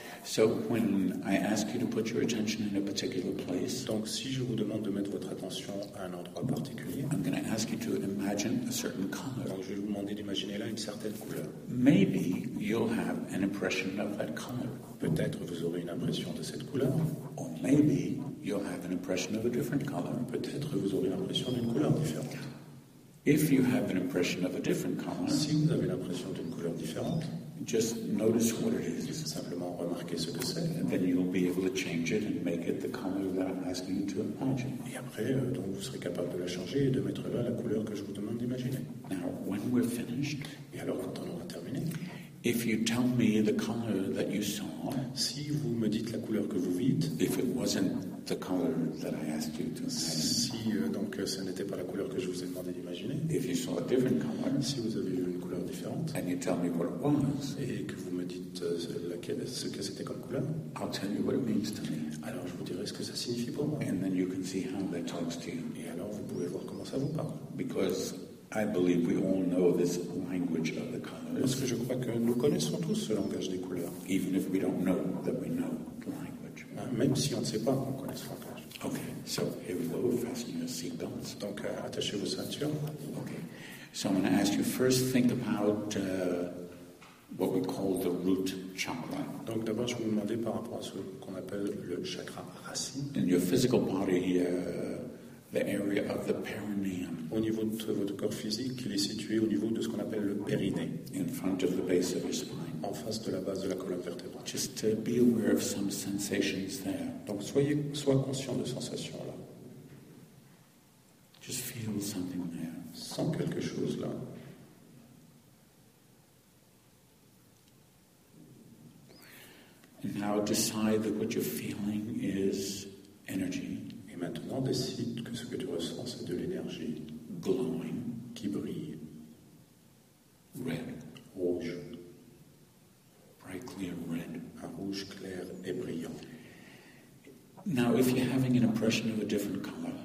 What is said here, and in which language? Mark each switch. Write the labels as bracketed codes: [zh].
[en] So when I ask you to put your attention in a particular place, [fr] donc si je vous demande de mettre votre attention à un endroit particulier, [en] I'm going to ask you to imagine a certain color. [fr] Donc je vais vous demander d'imaginer là une certaine couleur. [en] Maybe you'll have an impression of that color. [fr] Peut-être vous aurez une impression de cette couleur. [en] Or maybe you'll have an impression of a different color. [fr] Peut-être vous aurez l'impression d'une couleur différente. [en] If you have an impression of a different color, [fr] si vous avez l'impression d'une couleur différente, [en] just notice what it is. [fr] Simplement remarquez ce que c'est. [en] And then you'll be able to change it and make it the color that I'm asking you to imagine. [fr] Et après, donc vous serez capable de la changer et de mettre là la couleur que je vous demande d'imaginer. [en] Now, when we're finished, [fr] et alors quand on aura terminé, [en] if you tell me the color that you saw, [fr] si vous me dites la couleur que vous vîtes, [en] if it wasn't the color that I asked you to imagine. [fr] Si donc ce n'était pas la couleur que je vous ai demandé d'imaginer. [en] If you saw a different color, [fr] si vous avez vu une couleur différente, [en] and you tell me what it was, [fr] et que vous me dites ce que c'était comme couleur, [en] I'll tell you what it means to me. [fr] Alors je vous dirai ce que ça signifie pour moi. [en] And then you can see how that talks to you. [fr] Et alors vous pouvez voir comment ça vous parle. [en] Because I believe we all know this language of the colors. [fr] Parce que je crois que nous connaissons tous ce langage des couleurs. [en] Even if we don't know that we know the language. [fr] Même si on ne sait pas qu'on connaît ce langage. [en] Okay, so here we go, fasten your seatbelts. [fr] Donc, attachez vos ceintures. [en] Okay, so I'm going to ask you first think about what we call the root chakra. [fr] Donc d'abord, je vais vous demander par rapport à ce qu'on appelle le chakra racine. [en] In your physical body, the area of the perineum. [fr] Au niveau de votre corps physique, il est situé au niveau de ce qu'on appelle le périnée. [en] In front of the base of your spine. [fr] En face de la base de la colonne vertébrale. [en] Just be aware of some sensations there. [fr] Donc sois conscient de sensations là. [en] Just feel something there. [fr] Sens quelque chose là. [en] Now decide that what you're feeling is energy. [fr] Et maintenant décide que ce que tu ressens c'est de l'énergie. [en] Glowing. [fr] Qui brille. [en] Red. [fr] Rouge. [en] Bright, clear, red. [fr] Un rouge clair et brillant. [en] Now, if you're having an impression of a different color,